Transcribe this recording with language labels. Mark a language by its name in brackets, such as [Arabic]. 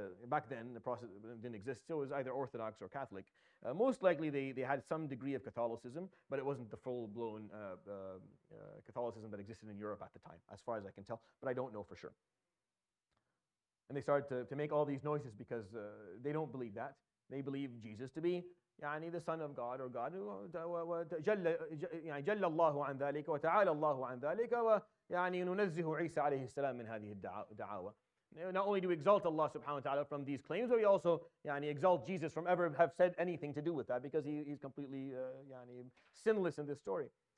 [English] Back then, the process didn't exist, so it was either Orthodox or Catholic. Most likely, they had some degree of Catholicism, but it wasn't the full-blown Catholicism that existed in Europe at the time, as far as I can tell, but I don't know for sure. And they started to make all these noises because they don't believe that. They believe Jesus to be يعني the son of God or God. [Arabic] جل الله عن ذلك وتعالى الله عن ذلك ويعني ننزه عيسى عليه السلام من هذه الدعاوى. [English] Not only do we exalt Allah subhanahu wa ta'ala from these claims, but we also exalt Jesus from ever have said anything to do with that because he's completely sinless in this story.